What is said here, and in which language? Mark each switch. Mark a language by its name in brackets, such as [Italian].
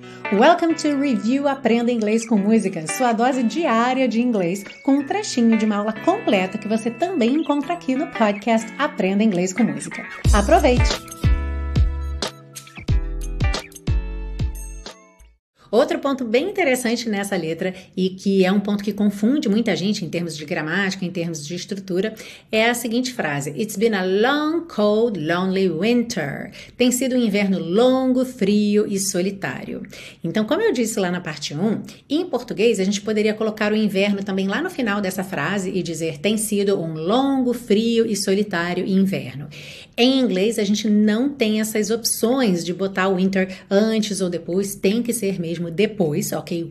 [English] Welcome to Review [Portuguese] Aprenda Inglês com Música, sua dose diária de inglês, com um trechinho de uma aula completa que você também encontra aqui no podcast Aprenda Inglês com Música. Aproveite! Outro ponto bem interessante nessa letra e que é um ponto que confunde muita gente em termos de gramática, em termos de estrutura, é a seguinte frase. [English] It's been a long, cold, lonely winter. [Portuguese] Tem sido um inverno longo, frio e solitário. Então, como eu disse lá na parte 1, em português a gente poderia colocar o inverno também lá no final dessa frase e dizer tem sido um longo, frio e solitário inverno. Em inglês a gente não tem essas opções de botar o winter antes ou depois, tem que ser mesmo depois, ok?